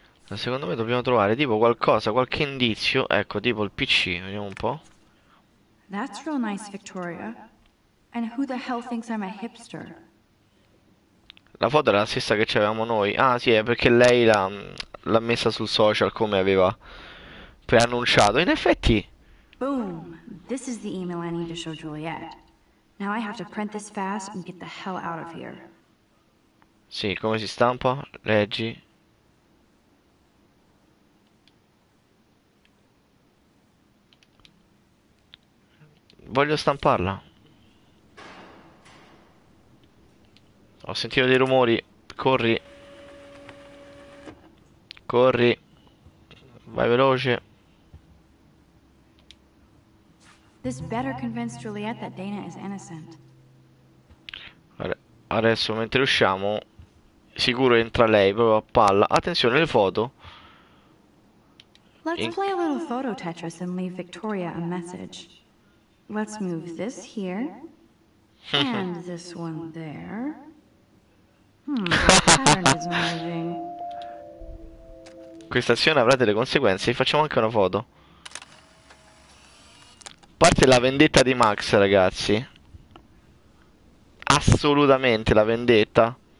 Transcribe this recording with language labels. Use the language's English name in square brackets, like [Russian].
[Italian] Secondo me dobbiamo trovare tipo qualcosa, qualche indizio. Ecco, tipo il PC, vediamo un po'. [English] That's real nice, Victoria. And who the hell thinks I'm a hipster? [Italian] La foto era la stessa che c'avevamo noi. Ah, sì, è perché lei l'ha messa sul social come aveva preannunciato. In effetti. [English] Boom! This is the email I need to show Juliet. Now I have to print this fast and get the hell out of here. [Italian] Sì, come si stampa? Leggi. Voglio stamparla. Ho sentito dei rumori. Corri. Corri. Vai veloce. [English] This better convince Juliet that Dana is innocent. [Italian] Adesso mentre usciamo, sicuro entra lei proprio a palla. Attenzione le foto. [English] Let's play a little photo Tetris and leave Victoria a message. Let's move this here, and this one there. Hmm, the pattern is moving. [Italian] Questa azione avrà delle conseguenze, facciamo anche una foto. Parte la vendetta di Max, ragazzi. Assolutamente la vendetta.